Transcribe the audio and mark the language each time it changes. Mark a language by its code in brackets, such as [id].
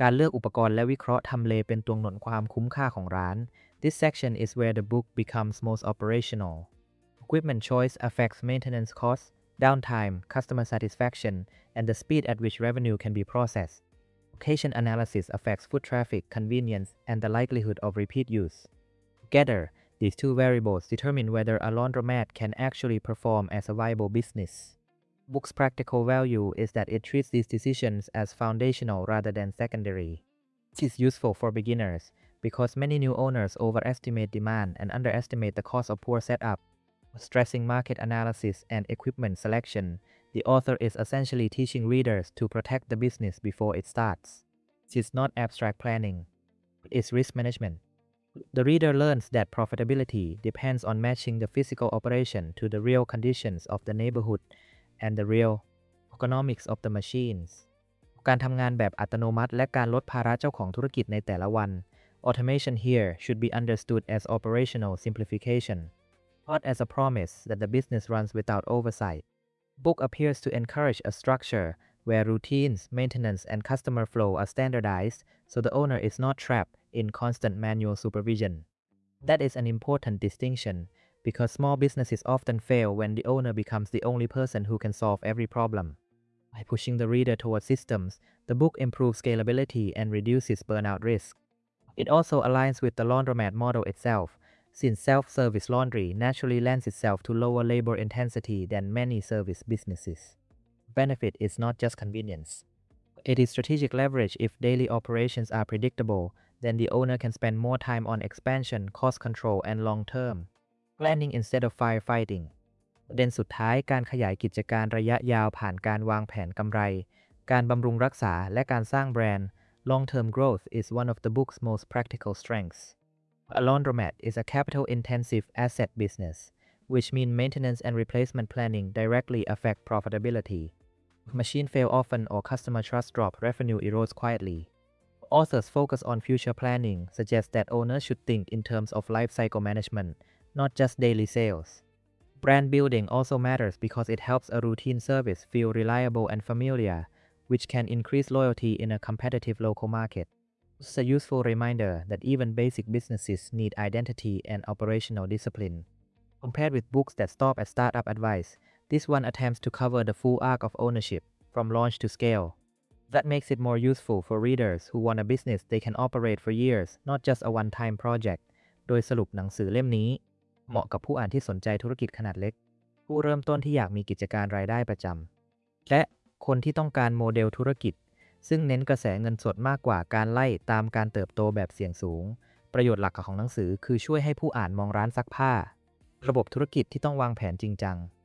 [th] การเลือกอุปกรณ์และวิเคราะห์ทำเลเป็นตัวหนุนความคุ้มค่าของร้าน [en] This section is where the book becomes most operational. Equipment choice affects maintenance costsDowntime, customer satisfaction, and the speed at which revenue can be processed. Location analysis affects foot traffic, convenience, and the likelihood of repeat use. Together, these two variables determine whether a laundromat can actually perform as a viable business. Book's practical value is that it treats these decisions as foundational rather than secondary. This is useful for beginners because many new owners overestimate demand and underestimate the cost of poor setup. Stressing market analysis and equipment selection, the author is essentially teaching readers to protect the business before it starts. It's not abstract planning. It's risk management. The reader learns that profitability depends on matching the physical operation to the real conditions of the neighborhood and the real economics of the machines. [th] การทำงานแบบอัตโนมัติและการลดภาระเจ้าของธุรกิจในแต่ละวัน [en] Automation here should be understood as operational simplification. Not as a promise that the business runs without oversight. Book appears to encourage a structure where routines, maintenance, and customer flow are standardized so the owner is not trapped in constant manual supervision. That is an important distinction because small businesses often fail when the owner becomes the only person who can solve every problem. By pushing the reader toward systems, the book improves scalability and reduces burnout risk. It also aligns with the laundromat model itself,Since self-service laundry naturally lends itself to lower labor intensity than many service businesses. Benefit is not just convenience. It is strategic leverage if daily operations are predictable, then the owner can spend more time on expansion, cost control, and long-term planning instead of firefighting. [th] ประเด็นสุดท้ายการขยายกิจการระยะยาวผ่านการวางแผนกำไรการบำรุงรักษาและการสร้างแบรนด์ [en] Long term growth is one of the book's most practical strengths. A laundromat is a capital intensive asset business, which means maintenance and replacement planning directly affect profitability. Machine fail often or customer trust drop, revenue erodes quietly. Authors focus on future planning suggest that owners should think in terms of life cycle management, not just daily sales. Brand building also matters because it helps a routine service feel reliable and familiar, which can increase loyalty in a competitive local market. This is a useful reminder that even basic businesses need identity and operational discipline. Compared with books that stop at startup advice, this one attempts to cover the full arc of ownership, from launch to scale. That makes it more useful for readers who want a business they can operate for years, not just a one-time project. [th] โดยสรุปหนังสือเล่มนี้เหมาะกับผู้อ่านที่สนใจธุรกิจขนาดเล็กผู้เริ่มต้นที่อยากมีกิจการรายได้ประจำและคนที่ต้องการโมเดลธุรกิจซึ่งเน้นกระแสเงินสดมากกว่าการไล่ตามการเติบโตแบบเสี่ยงสูงประโยชน์หลักของหนังสือคือช่วยให้ผู้อ่านมองร้านซักผ้าระบบธุรกิจที่ต้องวางแผนจริงจัง